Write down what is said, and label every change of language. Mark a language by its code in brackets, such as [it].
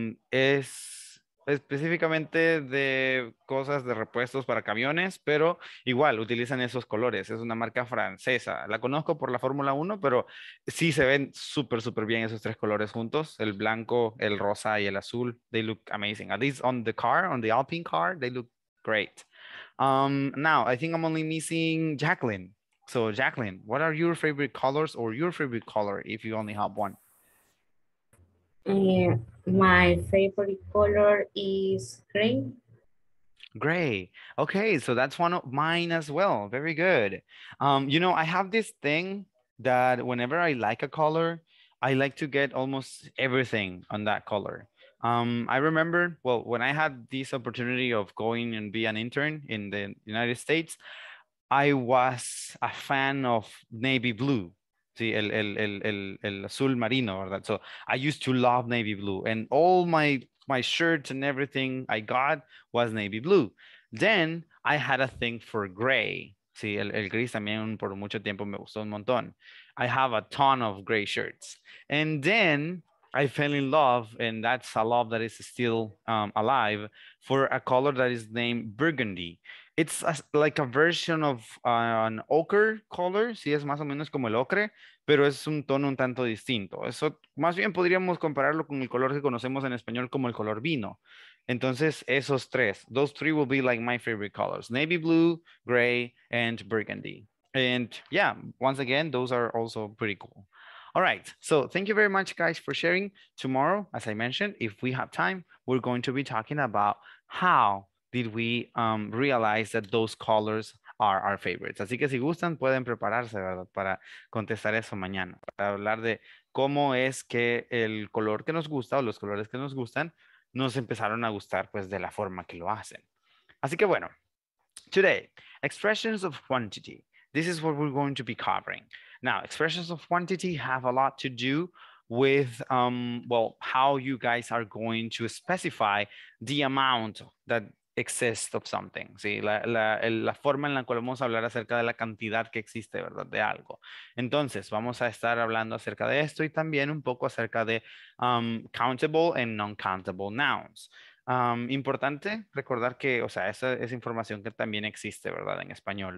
[es] Es específicamente de cosas de repuestos para camiones, pero igual utilizan esos colores. Es una marca francesa. La conozco por la Fórmula 1, pero sí se ven súper, súper bien esos tres colores juntos. El blanco, el rosa y el azul. [en] They look amazing. At least on the car, on the Alpine car, they look great. Now, I think I'm only missing Jacqueline. So Jacqueline, what are your favorite colors or your favorite color if you only have one? My favorite color is gray. Gray. Okay, so that's one of mine as well. Very good. You know, I have this thing that whenever I like a color, I like to get almost everything on that color. I remember, well, when I had this opportunity of going and be an intern in the United States, I was a fan of navy blue. [es] Sí, el azul marino, ¿verdad? [en] So I used to love navy blue, and all my shirts and everything I got was navy blue. Then I had a thing for gray. [es] Sí, el gris también por mucho tiempo me gustó un montón. [en] I have a ton of gray shirts. And then I fell in love, and that's a love that is still alive, for a color that is named burgundy. It's like a version of an ochre color. [es] Sí, es más o menos como el ocre, pero es un tono un tanto distinto. Eso más bien podríamos compararlo con el color que conocemos en español como el color vino. Entonces, esos tres, [en] those three will be like my favorite colors: navy blue, gray, and burgundy. And yeah, once again, those are also pretty cool. All right, so thank you very much, guys, for sharing. Tomorrow, as I mentioned, if we have time, we're going to be talking about how did we realize that those colors are our favorites. [es] Así que si gustan, pueden prepararse, ¿verdad?, para contestar eso mañana, para hablar de cómo es que el color que nos gusta o los colores que nos gustan nos empezaron a gustar, pues, de la forma que lo hacen. Así que bueno, [en] today, expressions of quantity. This is what we're going to be covering. Now, expressions of quantity have a lot to do with, well, how you guys are going to specify the amount that exists of something. [es] ¿Sí? La forma en la cual vamos a hablar acerca de la cantidad que existe, ¿verdad?, de algo. Entonces, vamos a estar hablando acerca de esto y también un poco acerca de [en] countable and non-countable nouns. [es] Importante recordar que, o sea, esa es información que también existe, ¿verdad?, en español.